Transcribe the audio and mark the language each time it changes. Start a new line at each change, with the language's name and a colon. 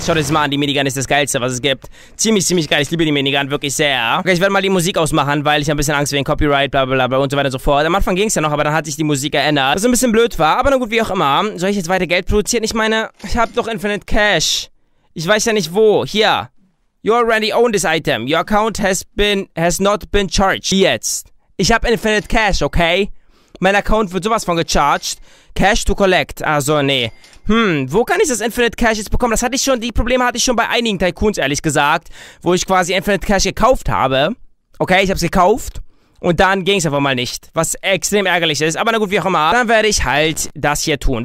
German: Schaut euch mal an, die Minigun ist das Geilste, was es gibt. Ziemlich, ziemlich geil. Ich liebe die Minigun wirklich sehr. Okay, ich werde mal die Musik ausmachen, weil ich habe ein bisschen Angst wegen Copyright, bla bla bla und so weiter und so fort. Am Anfang ging es ja noch, aber dann hat sich die Musik geändert. Was ein bisschen blöd war, aber na gut, wie auch immer. Soll ich jetzt weiter Geld produzieren? Ich meine, ich habe doch Infinite Cash. Ich weiß ja nicht wo. Hier.
English: You already own this item. Your account has not been charged.
German: Jetzt. Ich habe Infinite Cash, okay? Mein Account wird sowas von gecharged. Cash to collect. Also, nee. Wo kann ich das Infinite Cash jetzt bekommen? Die Probleme hatte ich schon bei einigen Tycoons, ehrlich gesagt. Wo ich quasi Infinite Cash gekauft habe. Okay, ich habe es gekauft. Und dann ging es einfach mal nicht. Was extrem ärgerlich ist. Aber na gut, wie auch immer. Dann werde ich halt das hier tun.